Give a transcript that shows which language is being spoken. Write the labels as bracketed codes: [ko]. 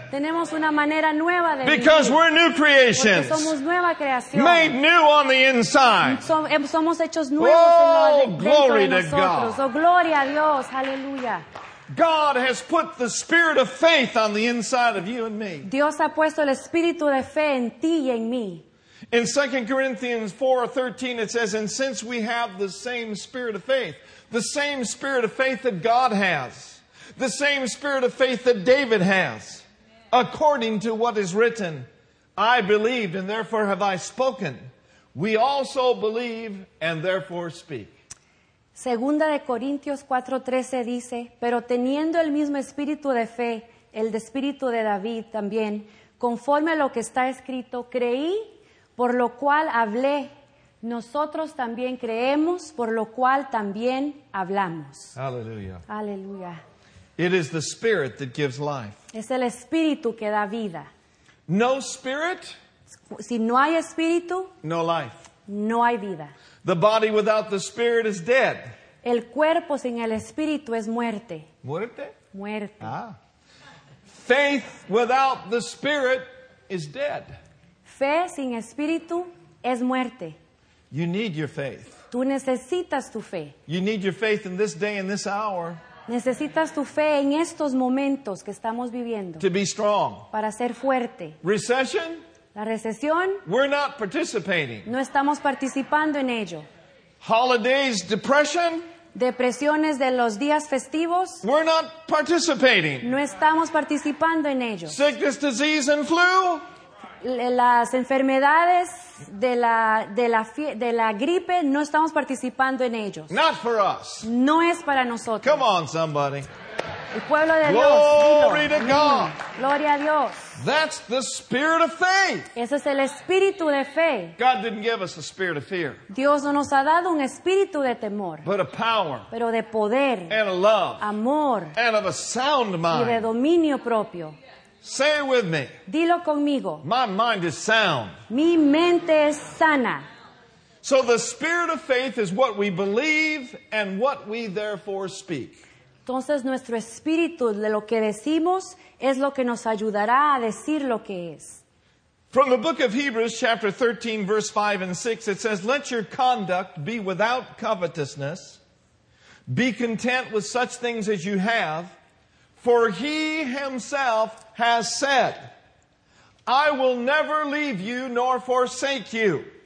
[es] Tenemos una manera nueva de vivir. [en] Because we're new creations. [es] Porque somos nueva creación. [en] Made new on the inside. [es] Somos hechos nuevos dentro de nosotros. Oh, gloria a Dios. Hallelujah. [en] God has put the spirit of faith on the inside of you and me. [es] Dios ha puesto el espíritu de fe en ti y en mí. [en] In 2 Corinthians 4:13 it says, and since we have the same spirit of faith that God has, the same spirit of faith that David has, according to what is written, I believed and therefore have I spoken. We also believe and therefore speak. [es] Segunda de Corintios 4:13 dice, pero teniendo el mismo espíritu de fe, el de espíritu de David también, conforme a lo que está escrito, creí, por lo cual hablé. Nosotros también creemos, por lo cual también hablamos. Aleluya. Aleluya. [en] It is the spirit that gives life. [es] Es el espíritu que da vida. [en] No spirit. [es] Si no hay espíritu. [en] No life. [es] No hay vida. [en] The body without the spirit is dead. [es] El cuerpo sin el espíritu es muerte. Muerte? Muerte. [en] Ah. Faith without the spirit is dead. [es] Fe sin espíritu es muerte. [en] You need your faith. [es] Tú necesitas tu fe. [en] You need your faith in this day and this hour. [es] Necesitas tu fe en estos momentos que estamos viviendo. [en] To be strong. [es] Para ser fuerte. [en] Recession? [es] La recesión. [en] We're not participating. [es] No estamos participando en ello. [en] Holidays, depression. [es] Depresiones de los días festivos. [en] We're not participating. [es] No estamos participando en ello. [en] Sickness, disease, and flu. [es] Las enfermedades de la gripe, no estamos participando en ellos. [en] Not for us. [es] No es para nosotros. [en] Come on, somebody. [es] El pueblo de [en] Glory [es] Dios. [en] To God. [es] Gloria a Dios. [en] That's the spirit of faith. [es] Ese es el espíritu de fe. [en] God didn't give us a spirit of fear. [es] Dios no nos ha dado un espíritu de temor. [en] But of power. [es] Pero de poder. [en] And of love. [es] Amor. [en] And of a sound mind. [es] Y de dominio propio. [en] Say it with me. [es] Dilo conmigo. [en] My mind is sound. [es] Mi mente es sana. [en] So the spirit of faith is what we believe and what we therefore speak. [es] Entonces nuestro espíritu de lo que decimos es lo que nos ayudará a decir lo que es. [en] From the book of Hebrews chapter 13 verse 5 and 6 it says, let your conduct be without covetousness, be content with such things as you have, for he himself has said, I will never leave you nor forsake you.